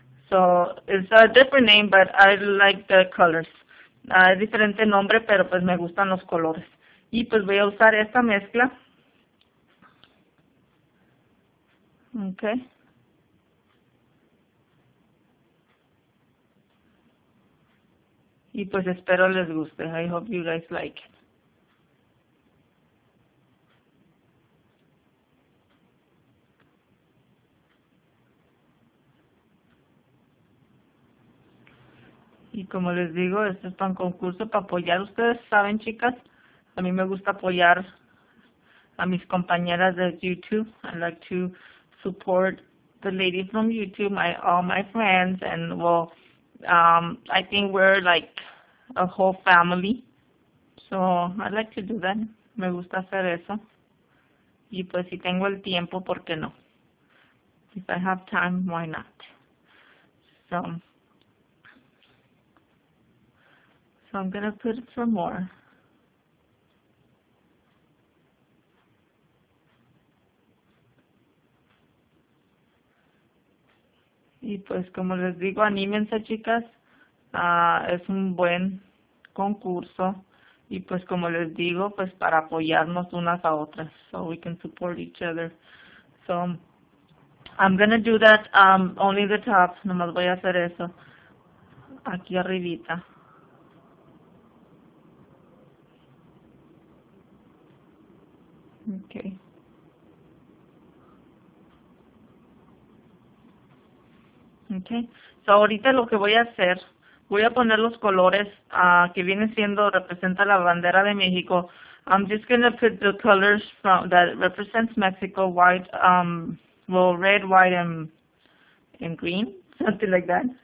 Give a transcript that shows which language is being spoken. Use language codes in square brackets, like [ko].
[en] So it's a different name but I like the colors. [es] Es diferente nombre pero pues me gustan los colores. Y pues voy a usar esta mezcla. [en] Okay. [es] Y pues espero les guste. [en] I hope you guys like it. [es] Y como les digo, esto es para un concurso para apoyar. Ustedes saben, chicas, a mí me gusta apoyar a mis compañeras de YouTube. [en] I like to support the lady from YouTube, all my friends, and well, I think we're like a whole family. So I like to do that. [es] Me gusta hacer eso. Y pues si tengo el tiempo, ¿por qué no? [en] If I have time, why not? So I'm gonna put it some more. [es] Y pues como les digo, anímense, chicas. Es un buen concurso. Y pues como les digo, pues para apoyarnos unas a otras. [en] So we can support each other. So I'm gonna do that only the top. [es] Nomás voy a hacer eso. Aquí arribita. [en] Okay. Okay. [es] So ahorita lo que voy a hacer, voy a poner los colores que viene siendo representa la bandera de México. [en] I'm just gonna put the colors from that represents Mexico, white, well, red, white, and green, something like that.